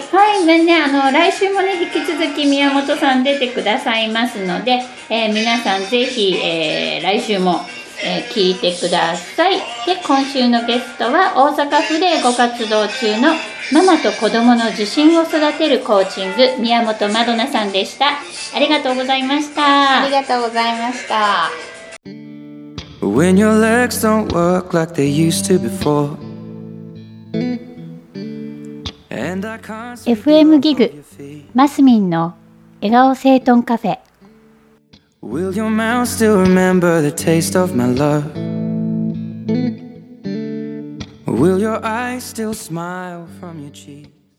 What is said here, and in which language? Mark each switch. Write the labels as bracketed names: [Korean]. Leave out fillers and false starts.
[Japanese] はい、ね、あの来週もね引き続き宮本さん出てくださいますので、皆さんぜひ、来週も、聞いてください。で今週のゲストは大阪府でご活動中のママと子供の自信を育てるコーチング宮本マドナさんでした。ありがとうございました。ありがとうございました。 [English] When your legs don't work like they used to before [Japanese] FM ギグマスミンの笑顔整頓カフェ。 [English] Will your mouth still remember the taste of my love? Will your eyes still smile from your cheek?